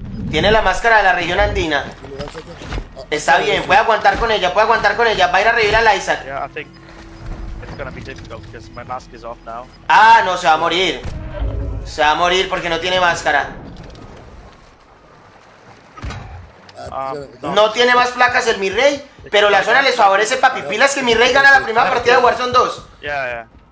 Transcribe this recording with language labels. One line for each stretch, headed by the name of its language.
Spanish: Tiene la máscara de la región andina. Está bien, puede aguantar con ella. Va a ir a revivir al Isaac.
English: Yeah, I think. Gonna be difficult because my mask is off now.
Spanish: Ah, no, se va a morir. Se va a morir porque no tiene máscara. No tiene más placas el mi rey, pero la zona les favorece, papi. Pilas que mi rey gana la primera partida de Warzone 2.
English: Yeah.